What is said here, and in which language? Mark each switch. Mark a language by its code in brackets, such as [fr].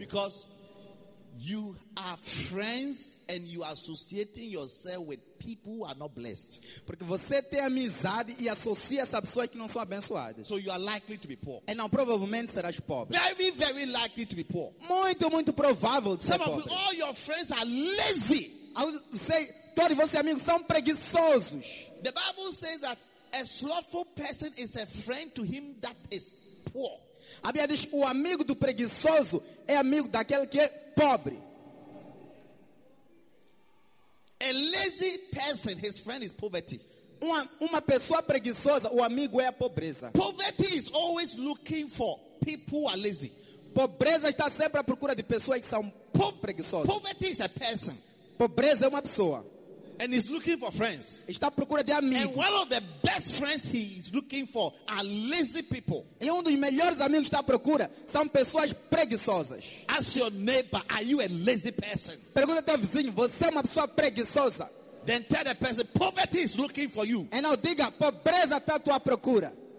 [en] Because you are friends and you are associating yourself with people who are not blessed. [pt] Porque você tem amizade e associa-se a pessoas que não são abençoadas. [en] So you are likely to be poor. [pt] Então provavelmente serás pobre. [en] Very, very likely to be poor. [pt] Muito, muito provável de ser pobre. [en] Some of all your friends are lazy. [pt] Say, todos vocês amigos são preguiçosos. [en] The Bible says that a slothful person is a friend to him that is poor. [pt] A Bíblia diz, o amigo do preguiçoso é amigo daquele que é pobre. [en] A lazy person, his friend is poverty. [pt] Uma pessoa preguiçosa, o amigo é a pobreza. [en] Poverty is always looking for people who are lazy. [pt] Pobreza está sempre à procura de pessoas que são preguiçosas. [en] Poverty is a person. [pt] Pobreza é uma pessoa. [en] And he's looking for friends. [pt] Está à procura de amigos. [en] And one of the best friends he is looking for are lazy people. [pt] E um dos melhores amigos que está à procura são pessoas preguiçosas. [en] Ask your neighbor, are you a lazy person? [pt] Pergunta teu vizinho, você é uma pessoa preguiçosa? [en] Then tell the person, poverty is looking for you. [pt] E não diga, pobreza está à tua procura.